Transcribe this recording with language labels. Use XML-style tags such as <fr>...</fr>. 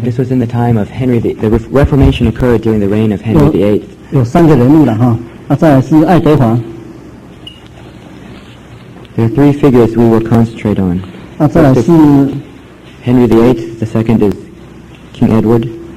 <en>This was in the time of Henry the Reformation occurred during the reign of Henry the Eighth.</en> <zh>有三个人物了哈，那再来是爱德华。</zh> <en>There are three figures we will concentrate on.</en> <zh>那再来是</zh> <en>Henry the Eighth. The second is King Edward.</en>